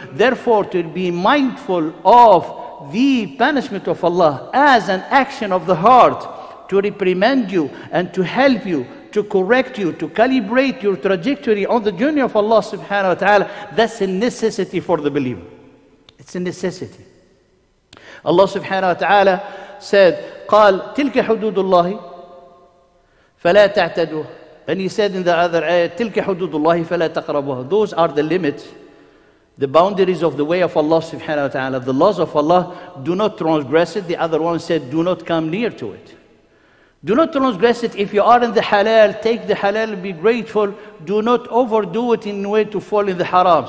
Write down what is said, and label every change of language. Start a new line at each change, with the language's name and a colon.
English: Therefore, to be mindful of the punishment of Allah as an action of the heart to reprimand you and to help you, to correct you, to calibrate your trajectory on the journey of Allah subhanahu wa ta'ala, that's a necessity for the believer. It's a necessity.
Arabic: Allah subhanahu wa ta'ala said, قال تلك حدود الله فلا تعتدوا.
English: And he said in the other ayah,
Arabic: تلك حدود الله فلا تقربوها.
English: Those are the limits, the boundaries of the way of Allah subhanahu wa ta'ala, the laws of Allah, do not transgress it. The other one said, do not come near to it. Do not transgress it. If you are in the halal, take the halal, be grateful. Do not overdo it in a way to fall in the haram.